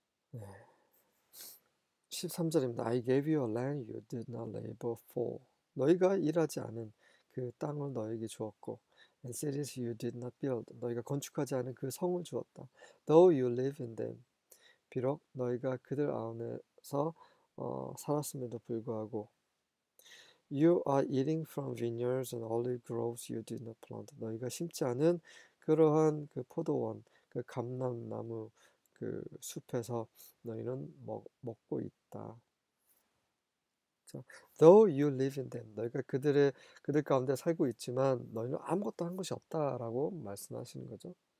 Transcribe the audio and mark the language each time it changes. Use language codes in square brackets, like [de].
[ko] 네. 13절입니다. [en] I gave you a land you did not labor for. [ko] 너희가 일하지 않은 그 땅을 너희에게 주었고, [en] and cities you did not build. [ko] 너희가 건축하지 않은 그 성을 주었다. [en] Though you live in them. [ko] 비록 너희가 그들 안에서 살았음에도 불구하고. [en] You are eating from vineyards and olive groves you did not plant. [ko] 너희가 심지 않은 그러한 그 포도원, 그 감람나무 그 숲에서 너희는 먹고 있다. [en] Though you live in them, [ko] 너희가 그들 가운데 살고 있지만 너희는 아무것도 한 것이 없다라고 말씀하시는 거죠.